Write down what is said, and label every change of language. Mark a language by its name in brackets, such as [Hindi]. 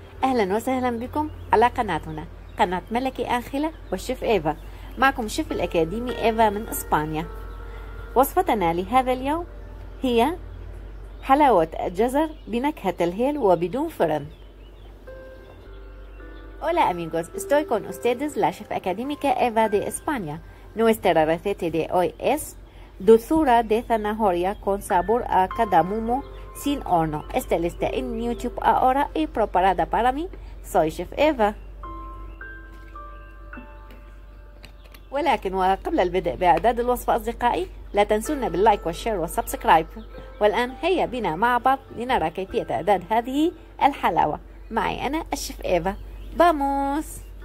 [Arabic] أهلا وسهلا بكم على قناتنا، قناة ملكي آنخلة والشيف إيفا. معكم شيف الأكاديمي إيفا من إسبانيا. وصفتنا لهذا اليوم هي حلاوة الجزر بنكهة الهيل وبدون فرن. [Spanish] Hola amigos, estoy con ustedes la chef académica Eva de España. Nuestra receta de hoy es dulzura de zanahoria con sabor a cardamomo sin horno. Está lista en YouTube ahora y preparada para mí. Soy chef Eva. [Arabic] ولكن وقبل البدء بإعداد الوصفة أصدقائي، لا تنسونا باللايك والشير والسبسكرايب. والآن هيا بنا مع بعض لنرى كيفية إعداد هذه الحلاوة معي أنا الشيف إيفا. باموس.